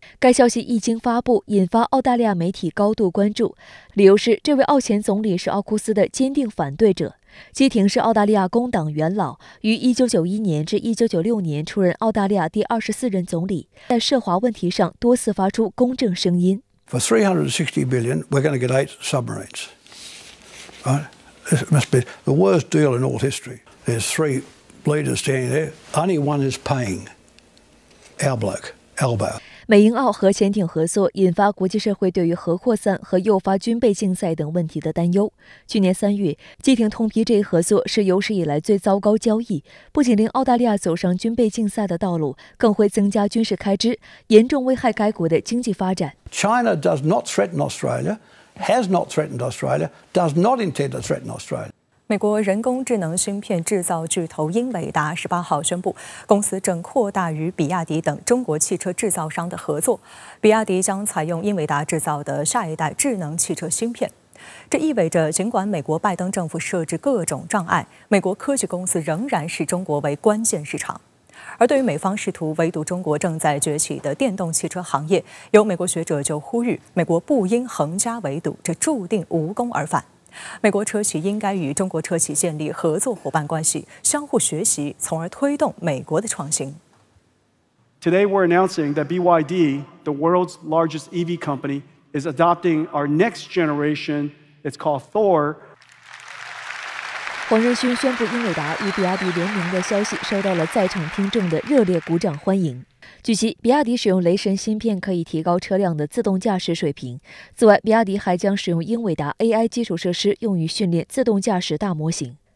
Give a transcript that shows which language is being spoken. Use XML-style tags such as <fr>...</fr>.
<zh>该消息一经发布，引发澳大利亚媒体高度关注，理由是这位澳前总理是奥库斯的坚定反对者。基廷是澳大利亚工党元老，于1991年至1996年出任澳大利亚第24任总理，在涉华问题上多次发出公正声音。</zh> <en>For $360 billion, we're going to get 8 submarines. Right? must be the worst deal in all history. There's three leaders standing there. Only one is paying. Our bloke, Elba.</en> <zh>美英澳核潜艇合作引发国际社会对于核扩散和诱发军备竞赛等问题的担忧。去年三月，基廷通批这一合作是有史以来最糟糕交易，不仅令澳大利亚走上军备竞赛的道路，更会增加军事开支，严重危害该国的经济发展。</zh> <en>China does not threaten Australia, has not threatened Australia, does not intend to threaten Australia.</en> <zh>美国人工智能芯片制造巨头英伟达18号宣布，公司正扩大与比亚迪等中国汽车制造商的合作。比亚迪将采用英伟达制造的下一代智能汽车芯片。这意味着，尽管美国拜登政府设置各种障碍，美国科技公司仍然视中国为关键市场。而对于美方试图围堵中国正在崛起的电动汽车行业，有美国学者就呼吁，美国不应横加围堵，这注定无功而返。美国车企应该与中国车企建立合作伙伴关系，相互学习，从而推动美国的创新。</zh> <en>Today we're announcing that BYD, the world's largest EV company, is adopting our next generation. It's called Thor.</en> <zh>黄仁勋宣布英伟达与比亚迪联名的消息收到了在场听众的热烈鼓掌欢迎。据悉，比亚迪使用雷神芯片可以提高车辆的自动驾驶水平。此外，比亚迪还将使用英伟达 AI 基础设施用于训练自动驾驶大模型。</zh>